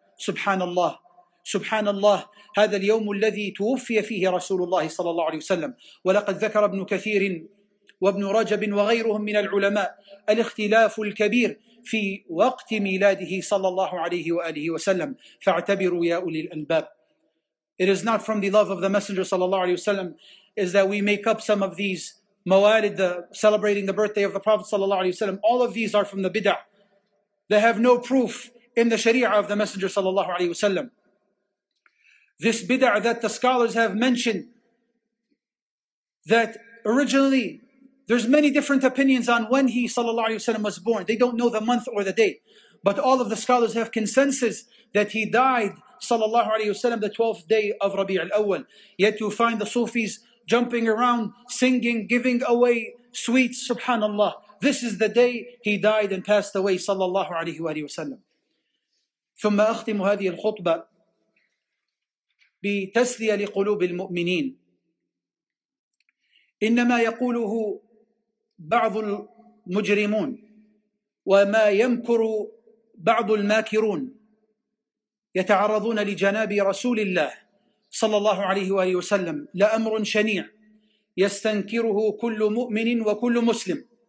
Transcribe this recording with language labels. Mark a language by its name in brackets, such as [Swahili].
[Arabic] سبحان الله، سبحان الله، هذا اليوم الذي توفي فيه رسول الله صلى الله عليه وسلم. ولقد ذكر ابن كثير وابن رجب وغيرهم من العلماء الاختلاف الكبير في وقت ميلاده صلى الله عليه وآله وسلم، فاعتبروا يا أولي الألباب. [English] It is not from the love of the Messenger [Arabic] صلى الله عليه وسلم [English] is that we make up some of these موالد, the celebrating the birthday of the Prophet صلى الله عليه وسلم. All of these are from the bid'ah. They have no proof in the sharia of the Messenger [Arabic] صلى الله عليه وسلم. [English] This bid'ah that the scholars have mentioned, that originally there's many different opinions on when he sallallahu alayhi wa sallam was born. They don't know the month or the date, but all of the scholars have consensus that he died sallallahu alayhi wa sallam the 12th day of Rabi' al-Awwal. Yet you find the Sufis jumping around, singing, giving away sweets. Subhanallah, this is the day he died and passed away sallallahu alayhi wa sallam. [Arabic] ثم أختم هذه الخطبة بتسلية لقلوب المؤمنين. إنما يقوله بعض المجرمون وما يمكر بعض الماكرون يتعرضون لجناب رسول الله صلى الله عليه وآله وسلم لأمر شنيع يستنكره كل مؤمن وكل مسلم.